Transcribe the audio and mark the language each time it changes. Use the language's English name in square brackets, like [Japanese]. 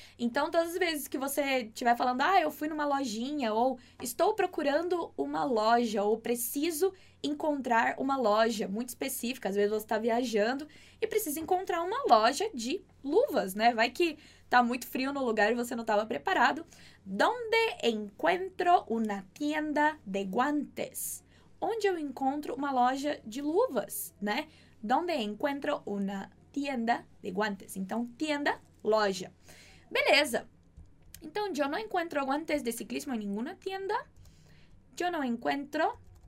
[Portuguese] Então, todas as vezes que você estiver falando, ah, eu fui numa lojinha, ou estou procurando uma loja, ou preciso encontrar uma loja muito específica, às vezes você está viajando e precisa encontrar uma loja de luvas, né? Vai que está muito frio no lugar e você não estava preparado. [Spanish] ¿Dónde encuentro una tienda de guantes? [Portuguese] Onde eu encontro uma loja de luvas, né? [Spanish] ¿Dónde encuentro una tienda de guantes? [Portuguese] Então, tienda, loja. Beleza. Então, [Spanish] yo no encuentro guantes de ciclismo en ninguna tienda. Yo no encuentro.